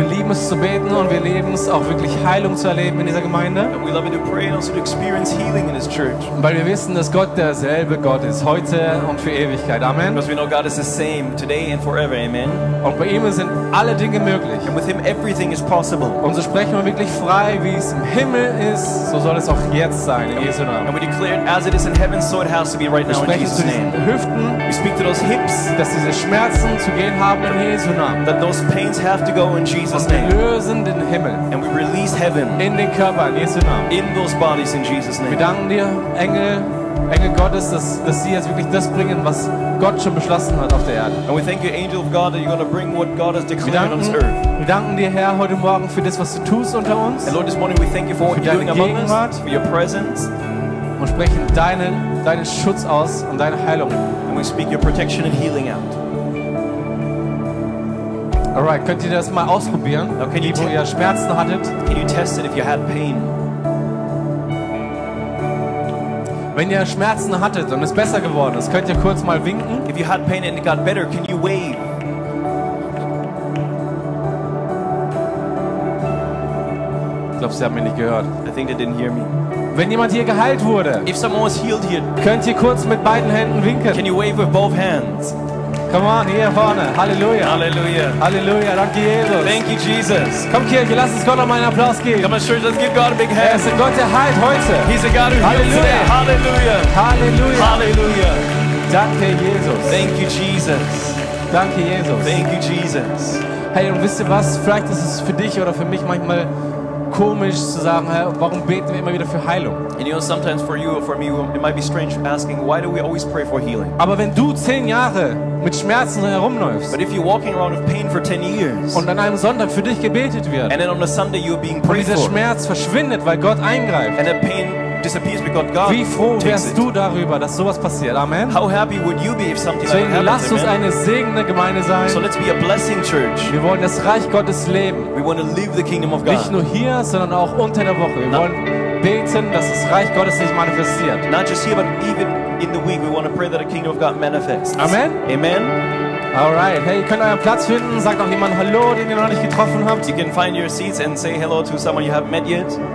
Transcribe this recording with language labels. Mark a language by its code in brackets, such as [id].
[de] Zu beten und wir lieben es auch wirklich Heilung zu erleben in dieser Gemeinde. [en] And we love it to pray and also to experience healing in this church. [de] Weil wir wissen, dass Gott derselbe Gott ist heute und für Ewigkeit. Amen. [en] Because we know God is the same today and forever. Amen. [de] Und bei ihm sind alle Dinge möglich. [en] And with him everything is possible. [de] Und so sprechen wir wirklich frei, wie es im Himmel ist, so soll es auch jetzt sein in Jesu Namen. [en] And we declare it as it is in heaven, so it has to be right now in Jesus' name. [de] Hüften, [en] we speak to those hips, [de] dass diese Schmerzen zu gehen haben in Jesu Namen. [en] That those pains have to go in Jesus' name. [de] Wir lösen den Himmel. [en] And we release heaven [de] in den Körper in Jesu Namen. [en] In those bodies in Jesus' name. [de] Wir danken dir, Engel Gottes, dass sie jetzt wirklich das bringen, was Gott schon beschlossen hat auf der Erde. [en] And we thank you, angel of God, that you're going to bring what God has declared on this earth. [de] Wir danken dir, Herr, heute Morgen für das, was du tust unter uns. [en] And Lord, this morning we thank you for what you're doing among us, for your presence. [de] Und sprechen deinen Schutz aus und deine Heilung. [en] And we speak your protection and healing out. [de] Alright, könnt ihr das mal ausprobieren, wo ihr Schmerzen hattet? [en] Can you test it if you had pain? [de] Wenn ihr Schmerzen hattet und es besser geworden ist, könnt ihr kurz mal winken? [en] If you had pain and it got better, can you wave? [de] glaube, sie haben mich nicht gehört. [en] I think they didn't hear me. [de] Wenn jemand hier geheilt wurde, [en] if someone was healed here, [de] könnt ihr kurz mit beiden Händen winken? [en] Can you wave with both hands? Come on, [de] hier vorne. Halleluja. Halleluja. Halleluja. Danke, Jesus. [en] Thank you, Jesus. [de] Komm, Kirche, lass uns Gott noch mal einen Applaus geben. [en] Come on, church, let's give God a big hand. [de] Er ist ein Gott, der heilt heute. [en] He's a God who heals today. Halleluja. Halleluja. Halleluja. [de] Danke, Jesus. [en] Thank you, Jesus. [de] Danke, Jesus. [en] Thank you, Jesus. [de] Hey, und wisst ihr was? Vielleicht ist es für dich oder für mich manchmal komisch zu sagen, hey, warum beten wir immer wieder für Heilung? [en] And you know, sometimes for you or for me, it might be strange asking, why do we always pray for healing? [de] Aber wenn du 10 Jahre mit Schmerzen herumläufst, [en] but if you're walking around with pain for 10 years, [de] und an einem Sonntag für dich gebetet wird, [en] and then on a Sunday you're being prayed for, [de] und dieser Schmerz [en] for, [de] verschwindet, weil Gott eingreift, [en] and the pain disappears because God takes it. [de] Wie froh wärst du darüber, dass sowas passiert? Amen. [en] How happy would you be if something like that happens? [de] Lasst uns eine segnende Gemeinde sein. [en] So let's be a blessing church. [de] Wir wollen das Reich Gottes leben. [en] We want to live the kingdom of God. [de] Nicht nur hier, sondern auch unter der Woche. Wir wollen beten, dass das Reich Gottes sich manifestiert. [en] Not just here, but even in the week, we want to pray that the kingdom of God manifests. Amen. Amen. All right. [de] Hey, könnt euren Platz finden. Sagt noch jemand Hallo, den ihr noch nicht getroffen habt. [en] You can find your seats and say hello to someone you haven't met yet.